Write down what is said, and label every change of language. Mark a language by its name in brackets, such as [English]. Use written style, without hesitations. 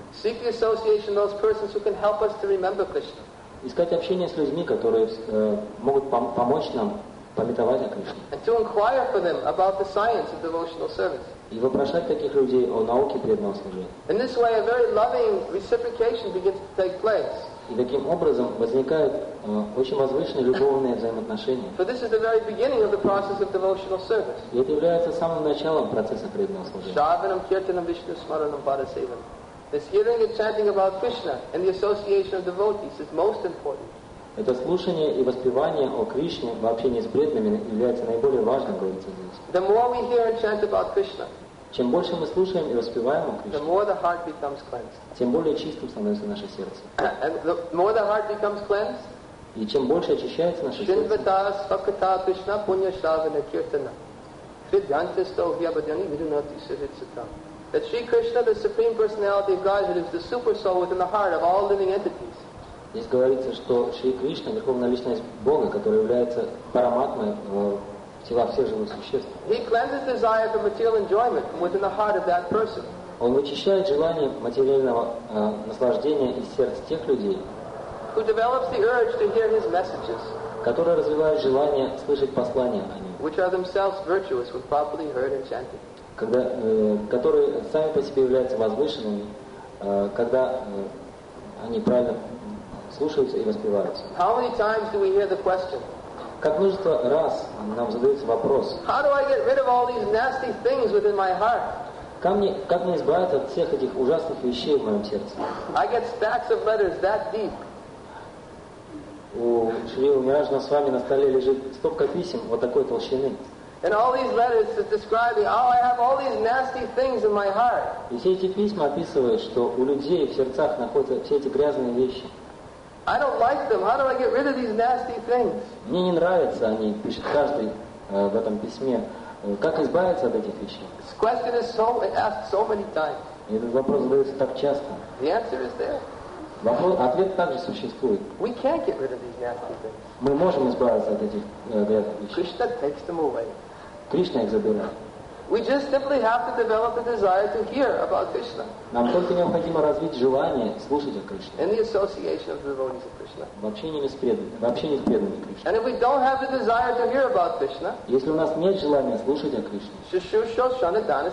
[English] Seek the association of those persons who can help us to remember Krishna. [Russian] искать общение с людьми, которые могут помочь нам памятовать о Кришне. [English] And to inquire for them about the science of devotional service. [Russian] И вопрошать таких людей о науке преданного служения. [English] In this way, a very loving reciprocation begins to take place. [Russian] И таким образом возникают очень возвышенные любовные взаимоотношения. [English] For this is the very beginning of the process of devotional service. [Russian] И это является самым началом процесса преданного служения. [Sanskrit] Shravanam, kirtanam, vishnu smaranam, bhadasevanam. [English] This hearing and chanting about Krishna and the association of devotees is most important. [Russian] Это слушание и воспевание о Кришне в общении с преданными является наиболее важным, говорится здесь. [English] The more we hear and chant about Krishna, [Russian] чем больше мы слушаем и воспеваем о Кришне, [English] the more the heart becomes cleansed. [Russian] Тем более чистым становится наше сердце. [English] And the more the heart becomes cleansed, [Russian] и чем больше очищается наше сердце, [Sanskrit] Shinvatas, Fakata, Krishna, Punya, Shravana, Kirtana, Kridhyanta, Stohya, Badyani, Vidunati, Siddhitsita. [English] That Sri Krishna, the Supreme Personality of Godhead, is the super soul within the heart of all living entities. [Russian] Здесь говорится, что Шри Кришна, Верховная Личность Бога, которая является параматмой в телах всех живых существ. [English] He cleanses desire for material enjoyment from within the heart of that person. [Russian] Он вычищает желание материального наслаждения из сердца тех людей, [English] who develops the urge to hear his messages, [Russian] которые развивают желание слышать послания о нем, [English] which are themselves virtuous when properly heard and chanted. [Russian] Когда, которые сами по себе являются возвышенными, когда они правильно слушаются и воспеваются. [English] How many times do we hear the question? [Russian] Как множество раз нам задается вопрос. [English] How do I get rid of all these nasty things within my heart? [Russian] Как мне избавиться от всех этих ужасных вещей в моем сердце? [English] I get stacks of letters that deep. [Russian] У Шри Умираджа с вами на столе лежит стопка писем вот такой толщины. [English] And all these letters that describe me, oh, I have all these nasty things in my heart. [Russian] И все эти письма описывают, что у людей в сердцах находятся все эти грязные вещи. [English] I don't like them. How do I get rid of these nasty things? [Russian] Мне не нравятся они, пишет каждый в этом письме. Как избавиться от этих вещей? [English] This question is so asked so many times. [Russian] И этот вопрос задается так часто. [English] The answer is there. [Russian] Ответ также существует. [English] We can't get rid of these nasty things. [Russian] Мы можем избавиться от этих грязных вещей. [English] Krishna takes them away. [Russian] Кришна их забирает. [English] We just simply have to develop a desire to hear about Krishna. [Russian] Нам только необходимо развить желание слушать о Кришне. [English] In the association of devotees of Krishna. [Russian] В общении с преданными Кришне. [English] And if we don't have the desire to hear about Krishna, [Russian] если у нас нет желания слушать о Кришне,